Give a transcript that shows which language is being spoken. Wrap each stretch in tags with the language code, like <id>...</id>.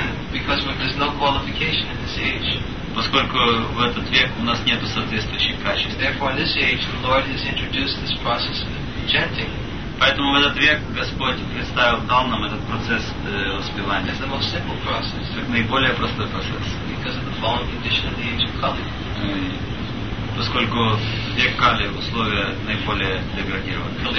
<en>Because there is no qualification in this age.</en> <ru>Поскольку в этот век у нас нету соответствующих качеств.</ru> <en>Therefore, in this age, the Lord has introduced this process of chanting.</en> <ru>Поэтому в этот век Господь представил, дал нам этот процесс воспевания.</ru> <en>It's the most simple process.</en> <ru>Как наиболее простой процесс.</ru> <en>Because of the fallen condition of the age of Kali.</en> <ru>Поскольку в век Кали условия наиболее деградированы.</ru>